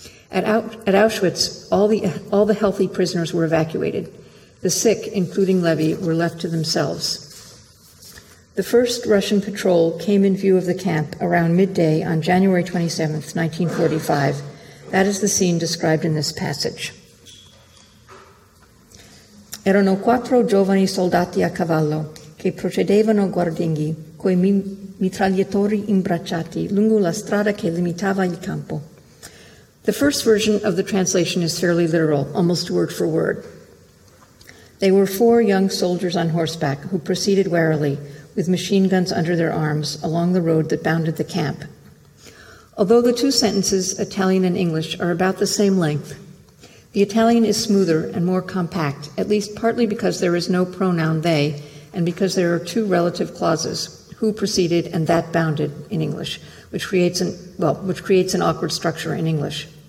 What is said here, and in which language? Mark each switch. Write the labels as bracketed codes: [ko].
[en] At Auschwitz, all the healthy prisoners were evacuated. The sick, including Levi, were left to themselves. The first Russian patrol came in view of the camp around midday on January 27, 1945. That is the scene described in this passage. [it] Erano quattro giovani soldati a cavallo che procedevano guardinghi coi mitragliatori imbracciati lungo la strada che limitava il campo. [en] The first version of the translation is fairly literal, almost word for word. They were four young soldiers on horseback who proceeded warily, with machine guns under their arms, along the road that bounded the camp. Although the two sentences, Italian and English, are about the same length, the Italian is smoother and more compact, at least partly because there is no pronoun they, and because there are two relative clauses, who preceded and that bounded, in English, which creates an awkward structure in English.